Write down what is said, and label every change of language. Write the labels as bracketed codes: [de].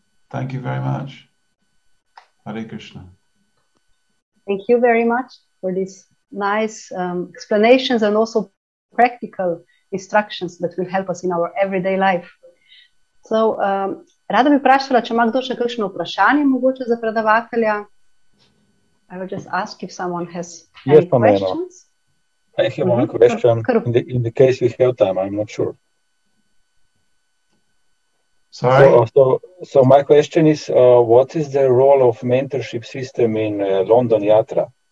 [en] Thank you very much. Hare Krishna. Thank you very much for these nice explanations and also practical instructions that will help us in our everyday life. [sl] So, rada bi vprašala, če ima kdo še kakšno vprašanje, mogoče za predavatelja. [en] I will just ask if someone has any questions. I have one question in the case we have time, I'm not sure. Sorry? So my question is, what is the role of mentorship system in London Yatra?